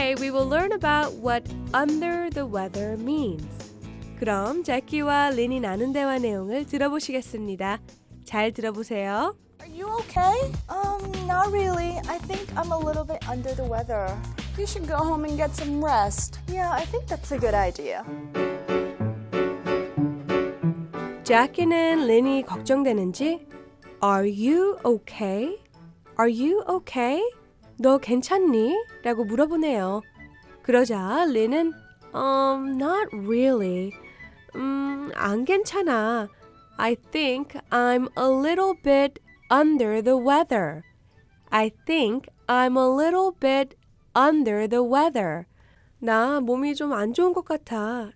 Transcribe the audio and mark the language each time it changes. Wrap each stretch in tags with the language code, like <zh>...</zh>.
<en>will learn about what under the weather means.</en> <ko>그럼 재키와 린이 나눈 대화 내용을 들어보시겠습니다. 잘 들어보세요.</ko> <en>Are you okay? Not really. I think I'm a little bit under the weather. You should go home and get some rest. Yeah, I think that's a good idea.</en> <ko>재키는 린이 걱정되는지</ko> <en>Are you okay? Are you okay?</en> <ko>너 괜찮니? 라고 물어보네요. 그러자 린은</ko> <en>not really.</en> <ko>안 괜찮아.</ko> <en>I think I'm a little bit under the weather. I think I'm a little bit under the weather.</en> <ko>나 몸이 좀 안 좋은 것 같아.</ko>